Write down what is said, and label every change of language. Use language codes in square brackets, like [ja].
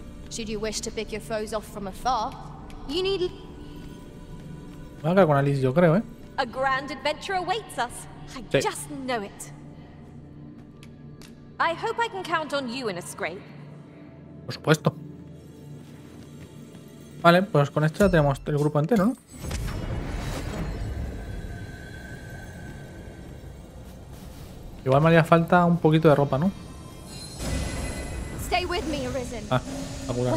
[en] Should you wish to pick your foes off from afar, you need. [es] Me voy a quedar con Alice, yo creo, ¿eh? [en] A grand adventure awaits us. I sí. Just know it. I hope I can count on you in a scrape. [es] Por supuesto. Vale, pues con esto ya tenemos el grupo entero, ¿no? Igual me haría falta un poquito de ropa, ¿no? [en] Stay with me, Arisen. [es] Ah, apurado.